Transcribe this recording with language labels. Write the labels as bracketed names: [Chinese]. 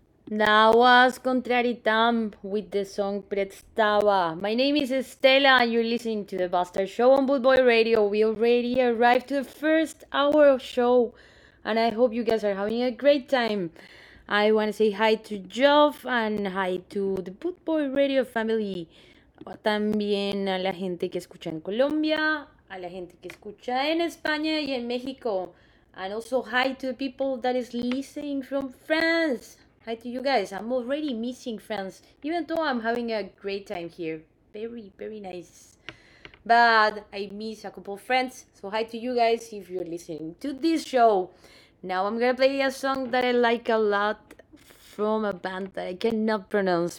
[English] That was Contrary Tamp with the song Prestava. My name is Estela and you're listening to The Bastard Show on Boot Boy Radio. We already arrived to the first hour of show and I hope you guys are having a great time. I want to say hi to Geoff and hi to the Boot Boy Radio family. [Spanish] También a la gente que escucha en Colombia, a la gente que escucha en España y en México. [English] And also hi to the people that is listening from France. Hi to you guys. I'm already missing France, even though I'm having a great time here. Very, very nice. But I miss a couple of friends. So hi to you guys if you're listening to this show. Now I'm gonna play a song that I like a lot from a band that I cannot pronounce.